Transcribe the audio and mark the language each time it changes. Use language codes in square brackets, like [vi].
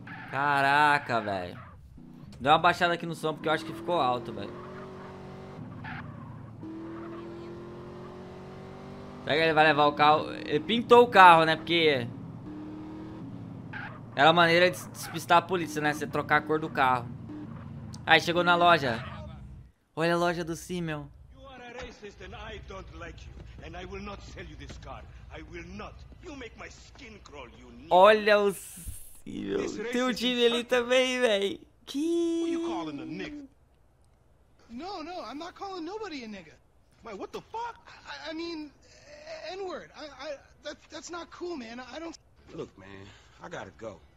[pt] Caraca, velho. Dá uma baixada aqui no som, porque eu acho que ficou alto, velho. Será que ele vai levar o carro? Ele pintou o carro, né? Porque... Era a maneira de despistar a polícia, né? Você trocar a cor do carro. Aí chegou na loja. Olha a loja do Simeon. [en] You are a racist and I don't like you. And I will not sell you this car. I will not. You make my skin crawl, you need. [pt] Olha o Simeon. Tem um time ali também, véi. Que? [en] Who you calling a nigga? No, no, I'm not calling nobody a nigga. Wait, what the fuck? I mean, N-word. That's not cool, man. I don't. Look, man. I gotta go.